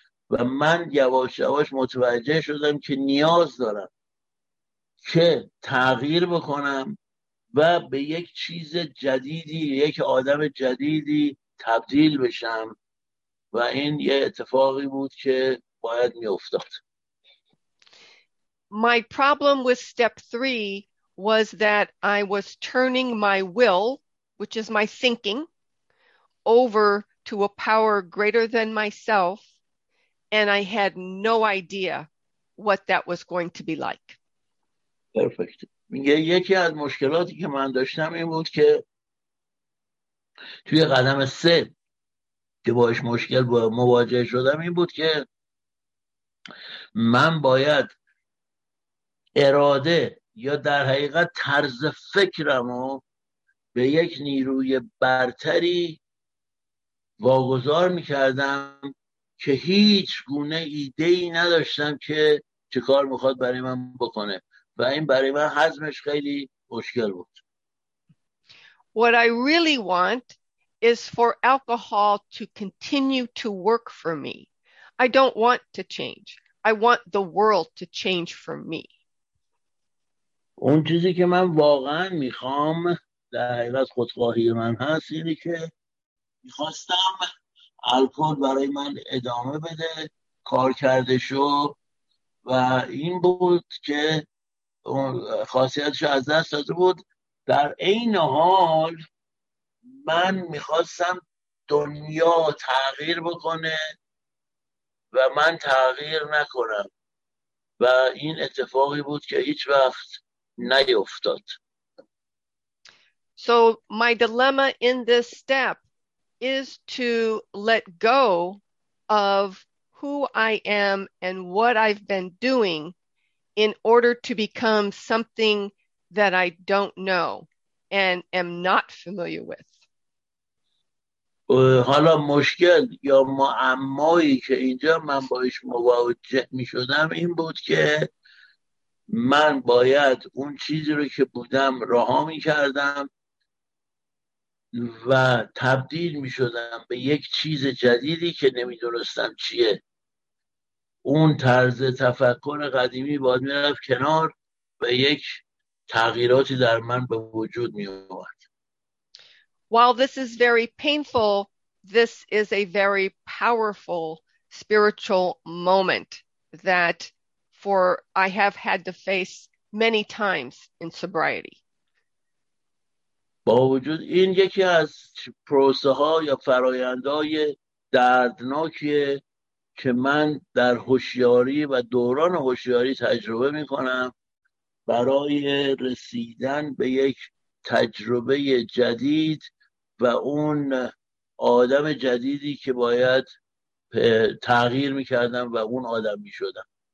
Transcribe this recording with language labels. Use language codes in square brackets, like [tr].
[fa] و من یواش یواش متوجه شدم که نیاز دارم که تغییر بکنم و به یک چیز جدیدی، یک آدم جدیدی تبدیل بشم، و این یه اتفاقی بود که باید می افتاد. [en] My problem with step three was that I was turning my will, which is my thinking, over to a power greater than myself, and I had no idea what that was going to be like. Perfect. [fa] یکی از مشکلاتی که من داشتم این بود که توی قدم سه که باش مشکل مواجه شدم این بود که من باید اراده یا در حقیقت طرز فکرم رو به یک نیروی برتری واگذار میکردم که هیچ گونه ایده‌ای نداشتم که چه کار میخواد برای من بکنه، و این برای من هضمش خیلی مشکل بود. [en] What I really want is for alcohol to continue to work for me. I don't want to change. I want the world to change for me. [fa] اون چیزی که من واقعا میخوام در حقیقت خودخواهی من هست اینه که میخواستم الکل برای من ادامه بده کار کرده شو، و این بود که اون خاصیتش از دست داده بود. در این حال من میخواستم دنیا تغییر بکنه و من تغییر نکنم، و این اتفاقی بود که هیچ وقت نیفتاد. [en] So my dilemma in this step is to let go of who I am and what I've been doing in order to become something that I don't know and am not familiar with. [fa] حالا مشکل یا معمایی که اینجا من باهاش مواجه می‌شدم این بود که من باید اون چیزی رو که بودم رها می‌کردم و تبدیل می‌شدم به یک چیز جدیدی که نمی‌دونستم چیه. اون طرز تفکر قدیمی باید می‌رفت کنار و یک تغییراتی در من به وجود می‌آورد. [en] While this is very painful, this is a very powerful spiritual moment that for I have had to face many times in sobriety. [fa] با وجود این یکی از پروسه ها یا فرایندهای دردناکیه که من در هوشیاری و دوران هوشیاری تجربه می کنم برای رسیدن به یک تجربه جدید و اون آدم جدیدی که باید تغییر می کردم و اون آدم می شدم.